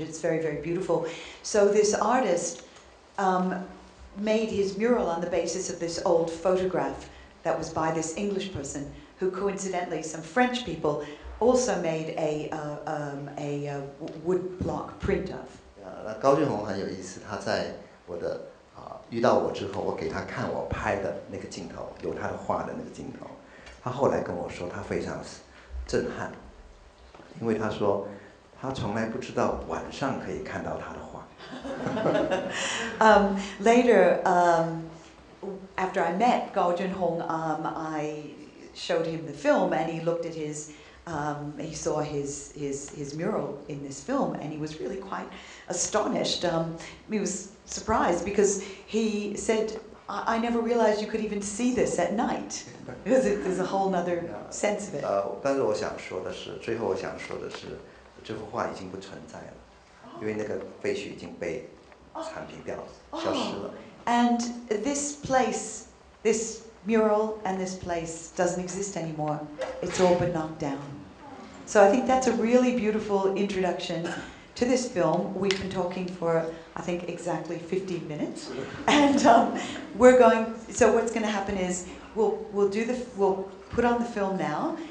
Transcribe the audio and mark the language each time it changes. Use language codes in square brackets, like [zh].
[en] It's very, very beautiful. So this artist made his mural on the basis of this old photograph that was by this English person, who coincidentally, some French people, also made a wood block print of. [zh] 高俊宏很有意思，他在我的。遇到我之后，我给他看我拍的那个镜头，有他的画的那个镜头。他后来跟我说，他非常震撼，因为他说他从来不知道晚上可以看到他的画。 [en] Later, after I met Gao Junhong, I showed him the film, and he looked at his he saw his mural in this film, and he was really quite astonished. He was surprised because he said, I never realized you could even see this at night. Because there's a whole other sense of it. [zh] 但是我想说的是，最后我想说的是，这幅画已经不存在了，因为那个废墟已经被铲平掉了，消失了。 [en] And this place, this mural and this place doesn't exist anymore. It's all been knocked down. So I think that's a really beautiful introduction to this film. We've been talking for, I think, exactly 15 minutes. And we're going, so what's going to happen is we'll put on the film now.